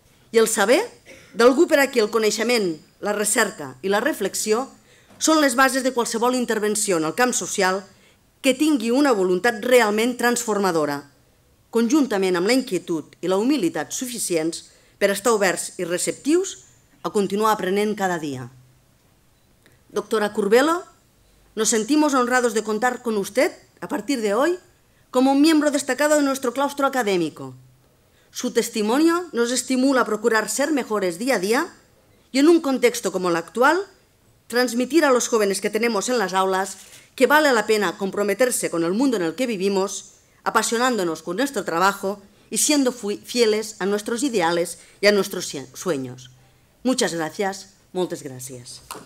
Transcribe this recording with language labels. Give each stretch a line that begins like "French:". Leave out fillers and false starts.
Catalan: I el saber d'algú per a qui el coneixement, la recerca i la reflexió són les bases de qualsevol intervenció en el camp social que tingui una voluntat realment transformadora, conjuntament amb la inquietud i la humilitat suficients per estar oberts i receptius a continuar aprenent cada dia.
Spanish: Doctora Curbelo, nos sentimos honrados de contar con usted, a partir de hoy, como un miembro destacado de nuestro claustro académico. Su testimonio nos estimula a procurar ser mejores día a día y en un contexto como el actual, transmitir a los jóvenes que tenemos en las aulas que vale la pena comprometerse con el mundo en el que vivimos, apasionándonos con nuestro trabajo y siendo fieles a nuestros ideales y a nuestros sueños. Muchas gracias,
Catalan: moltes gràcies.